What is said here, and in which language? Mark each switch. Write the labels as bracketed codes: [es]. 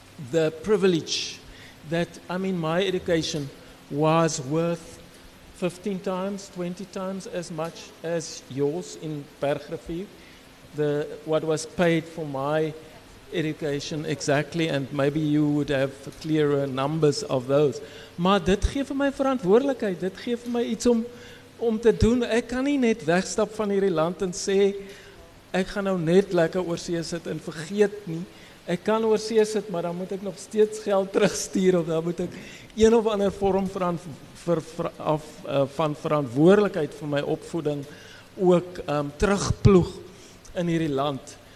[en] the privilege that, I mean, my education was worth 15 times, 20 times as much as yours in Bergrivier, what was paid for my education exactly, and maybe you would have clearer numbers of those. [af] Maar dit gee vir my verantwoordelikheid, dit gee vir my iets om te doen. Ek kan nie net wegstap van hierdie land en sê, ek gaan nou net lekker oorsee sit en vergeet nie. Ek kan oorsee sit, maar dan moet ek nog steeds geld terugstuur, of dan moet ek een of ander vorm van verantwoordelikheid vir my opvoeding ook terugploeg in hierdie land.